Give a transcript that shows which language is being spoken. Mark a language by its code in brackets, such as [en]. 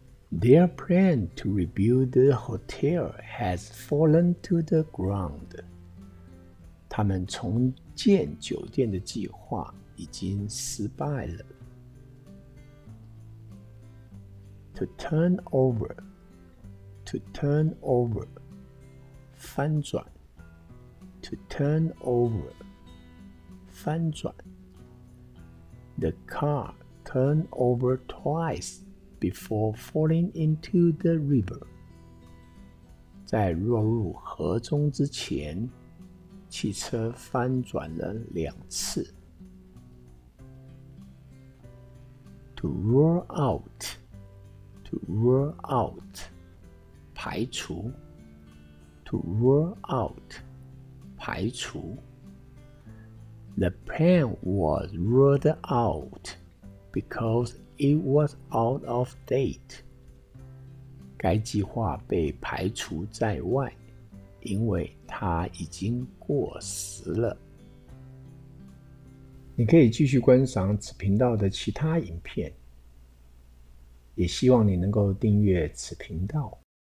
[en] Their plan to rebuild the hotel has fallen to the ground. [zh] 他们重建酒店的计划已经失败了。 [en] To turn over. To turn over. [zh] 翻转 [en] To turn over 翻转 The car turned over twice before falling into the river [zh] 在落入河中之前汽车翻转了两次 [en] To roll out To roll out [zh] 排除 [en] To rule out, 排除。 The plan was ruled out because it was out of date. [zh] 该计划被排除在外，因为它已经过时了。你可以继续观赏此频道的其他影片，也希望你能够订阅此频道。